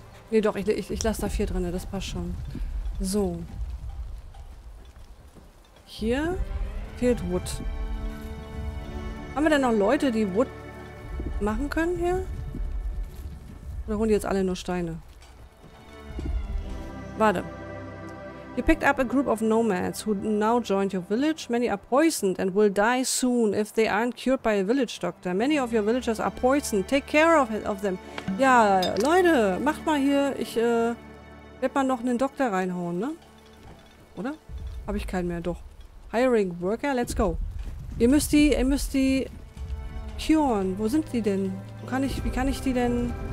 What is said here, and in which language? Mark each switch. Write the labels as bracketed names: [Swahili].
[German] Nee, doch, ich lasse da vier drin. Das passt schon. So. Hier fehlt Wood. Haben wir denn noch Leute, die Wood machen können hier? Oder holen die jetzt alle nur Steine? Warte. [English] You picked up a group of nomads who now joined your village. Many are poisoned and will die soon if they aren't cured by a village doctor. Many of your villagers are poisoned. Take care of them. [German] Ja, Leute, macht mal hier. Ich werde mal noch einen Doktor reinhauen, ne? Oder? Habe ich keinen mehr, doch. [English] Hiring Worker, let's go. [German] Ihr müsst die curen. Wo sind die denn? Wie kann ich die denn?